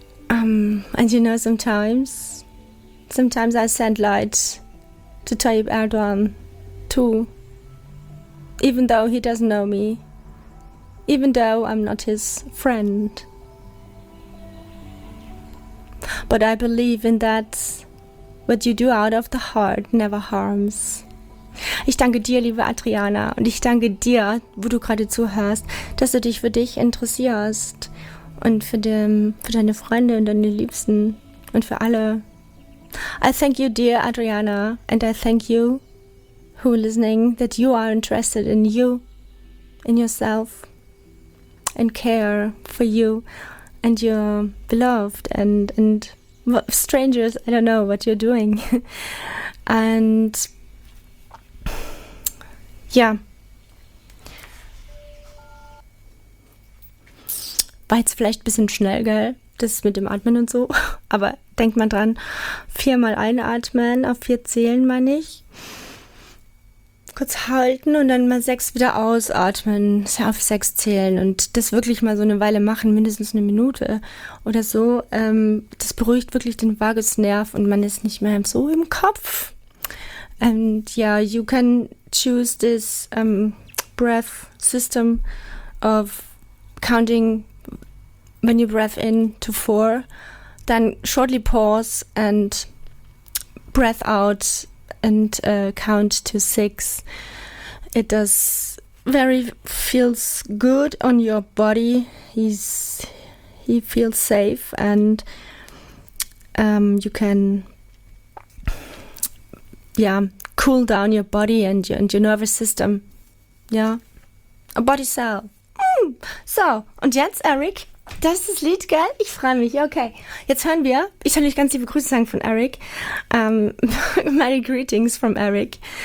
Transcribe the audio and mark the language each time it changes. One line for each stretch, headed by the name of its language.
English: And you know, sometimes I send light to Tayyip Erdogan too, even though he doesn't know me, even though I'm not his friend. But I believe in that what you do out of the heart never harms.
German: Ich danke dir, liebe Adriana, und ich danke dir, wo du gerade zuhörst, dass du dich für dich interessierst und für deine Freunde und deine Liebsten und für alle.
English: I thank you, dear Adriana, and I thank you, who listening, that you are interested in you, in yourself, and care for you and your beloved and strangers, I don't know what you're doing. And ja.
German: War jetzt vielleicht ein bisschen schnell, gell? Das mit dem Atmen und so. Aber denkt mal dran. 4-mal einatmen, auf 4 zählen, meine ich. Kurz halten und dann mal 6 wieder ausatmen. Auf 6 zählen. Und das wirklich mal so eine Weile machen, mindestens eine Minute oder so. Das beruhigt wirklich den Vagusnerv und man ist nicht mehr so im Kopf.
English: And yeah, you can choose this breath system of counting when you breath in to 4, then shortly pause and breath out and count to 6. It does very feels good on your body. He feels safe, and you can, yeah, cool down your body and your nervous system. Ja. A body cell.
German: So, und jetzt, Eric, das ist das Lied, gell? Ich freue mich. Okay, jetzt hören wir. Ich soll euch ganz liebe Grüße sagen von Eric.
English: Many greetings from Eric.